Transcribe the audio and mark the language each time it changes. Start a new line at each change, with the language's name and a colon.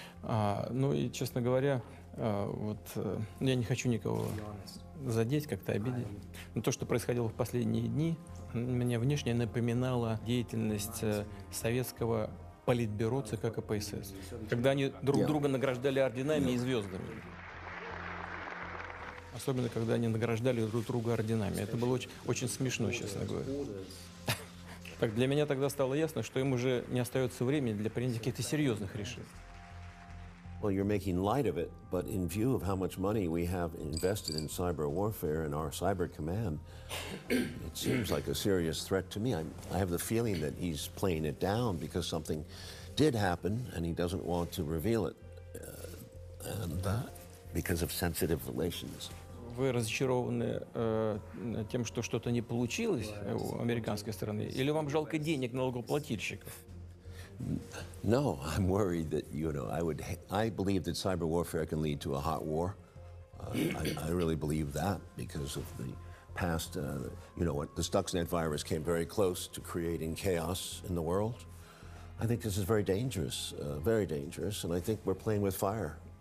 Russian: Ну и, честно говоря, вот я не хочу никого задеть, как-то обидеть, но то, что происходило в последние дни, мне внешне напоминало деятельность советского политбюро ЦК КПСС, когда они друг друга награждали орденами и звездами. Особенно, когда они награждали друг друга орденами. Это было очень, очень смешно, честно говоря. Так для меня тогда стало ясно, что им уже не остается времени для принятия каких-то серьезных решений.
English: Well, you're making light of it, but in view of how much money we have invested in cyber warfare and our cyber command, it seems like a serious threat to me. I have the feeling that he's playing it down because something did happen and he doesn't want to reveal it because of sensitive relations.
Russian: Вы разочарованы тем, что что-то не получилось у американской стороны, или вам жалко денег налогоплательщиков?
English: No, I'm worried that, you know, I believe that cyber warfare can lead to a hot war. I really believe that because of the past, you know, what the Stuxnet virus came very close to creating chaos in the world. I think this is very dangerous, and I think we're playing with fire.